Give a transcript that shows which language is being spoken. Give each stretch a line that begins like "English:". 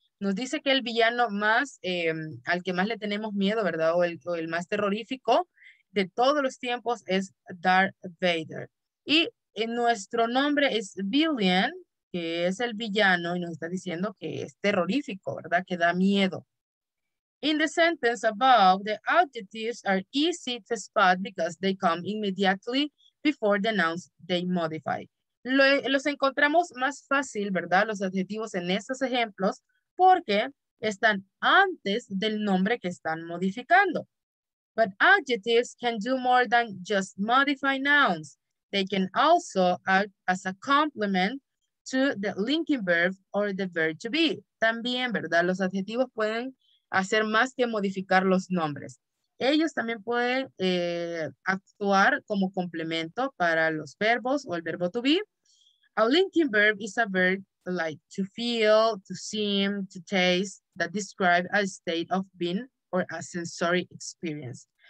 Spanish: Nos dice que el villano más, al que más le tenemos miedo, ¿verdad? O el más terrorífico de todos los tiempos es Darth Vader. Y nuestro nombre es villain, que es el villano, y nos está diciendo que es terrorífico, ¿verdad? Que da miedo.
English: In the sentence above, the adjectives are easy to spot because they come immediately before the nouns they modify.
Spanish: Los encontramos más fácil, ¿verdad? Los adjetivos en estos ejemplos, porque están antes del nombre que están modificando.
English: But adjectives can do more than just modify nouns. They can also act as a complement to the linking verb or the verb to be.
Spanish: También, ¿verdad? Los adjetivos pueden hacer más que modificar los nombres. Ellos también pueden actuar como complemento para los verbos o el verbo to be.
English: A linking verb is a verb like to feel, to seem, to taste, that describe a state of being or a sensory experience.